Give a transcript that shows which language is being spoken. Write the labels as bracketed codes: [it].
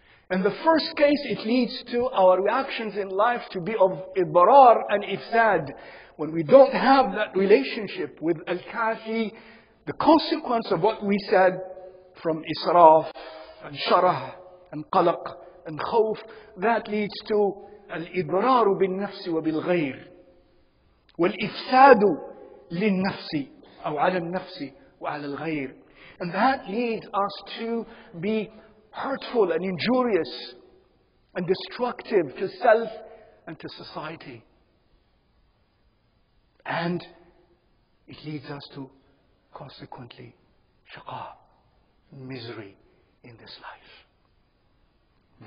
[en] In the first case, it leads to our reactions in life to be of ibrar and ifsad. When we don't have that relationship with al-kafi, the consequence of what we said from israf and sharah and qalaq and khawf, that leads to [ar] al-ibrar bil-nafsi wa bil-ghayr. والإفساد للنفس أو على النفس وعلى الغير. [en] And that leads us to be hurtful and injurious and destructive to self and to society. And it leads us to, consequently, shaqa, misery in this life.